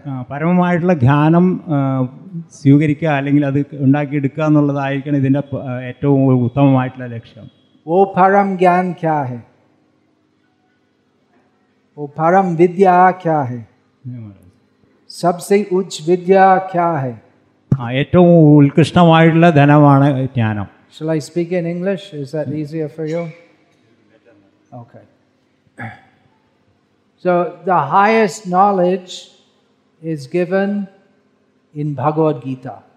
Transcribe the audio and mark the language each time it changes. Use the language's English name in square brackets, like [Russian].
[Malayalam] പരമമായിട്ടുള്ള ധ്യാനം സ്വീകരിക്കുക അല്ലെങ്കിൽ അത് ഉണ്ടാക്കിയെടുക്കുക എന്നുള്ളതായിരിക്കണം ഇതിൻ്റെ ഏറ്റവും ഉത്തമമായിട്ടുള്ള ലക്ഷ്യം [Hindi] वो परम ज्ञान क्या है वो परम विद्या क्या है सबसे उच्च विद्या क्या है [Malayalam] हां ഏറ്റവും ഉൽകൃഷ്ടമായിട്ടുള്ള ധനമാണ് ജ്ഞാനം [English] Shall I speak in English is that easier for you Okay So the highest knowledge is given in Bhagavad Gita